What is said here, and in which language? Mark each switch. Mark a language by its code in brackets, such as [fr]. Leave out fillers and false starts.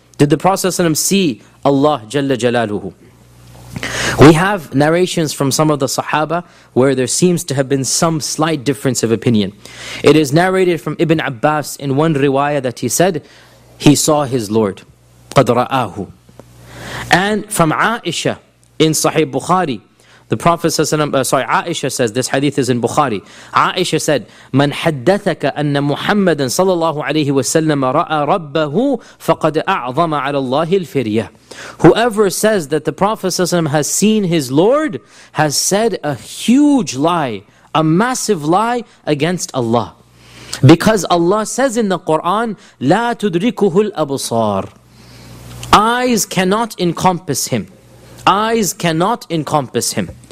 [en] Did the Prophet ﷺ see Allah Jalla Jalaluhu? We have narrations from some of the Sahaba where there seems to have been some slight difference of opinion. It is narrated from Ibn Abbas in one riwayah that he said, he saw his Lord, [ar] قَدْ رَآهُ. [en] And from Aisha in Sahih Bukhari, the Prophet Aisha says, this hadith is in Bukhari. Aisha said, [ar] مَنْ حَدَّثَكَ أَنَّ مُحَمَّدًا صَلَى اللَّهُ عَلَيْهِ وَسَلَّمَ رَأَى رَبَّهُ فَقَدْ أَعْظَمَ عَلَى اللَّهِ الْفِرْيَةِ. [en] Whoever says that the Prophet ﷺ has seen his Lord has said a huge lie, a massive lie against Allah. Because Allah says in the Quran, [ar] لا تدركه الأبصار. [en] Eyes cannot encompass him. Eyes cannot encompass him.